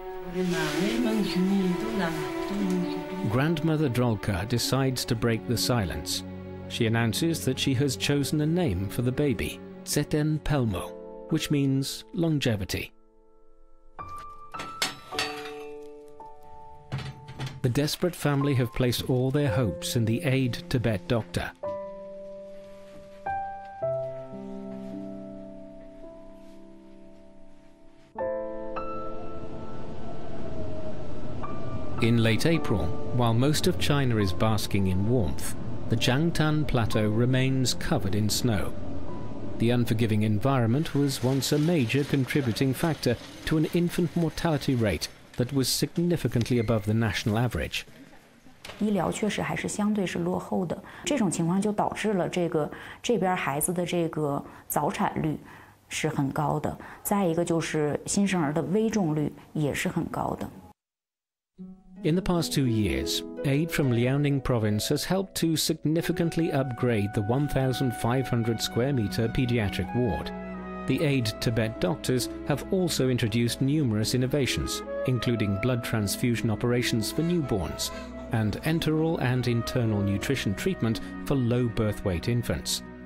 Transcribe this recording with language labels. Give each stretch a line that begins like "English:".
Chinese: 哎呀妈，哎呀妈，兄弟，都难，都难，都难。
English: Grandmother Drolka decides to break the silence. She announces that she has chosen a name for the baby, Zeten Pelmo, which means longevity. The desperate family have placed all their hopes in the aid Tibet doctor. In late April, while most of China is basking in warmth, the Jiangtan Plateau remains covered in snow. The unforgiving environment was once a major contributing factor to an infant mortality rate that was significantly above the national average.
Chinese: 医疗确实还是相对是落后的，这种情况就导致了这边孩子的这个早产率是很高的，再一个就是新生儿的危重率也是很高的。
English: In the past 2 years, aid from Liaoning province has helped to significantly upgrade the 1,500 square meter pediatric ward. The aid Tibet doctors have also introduced numerous innovations, including blood transfusion operations for newborns and enteral and internal nutrition treatment for low birth weight infants.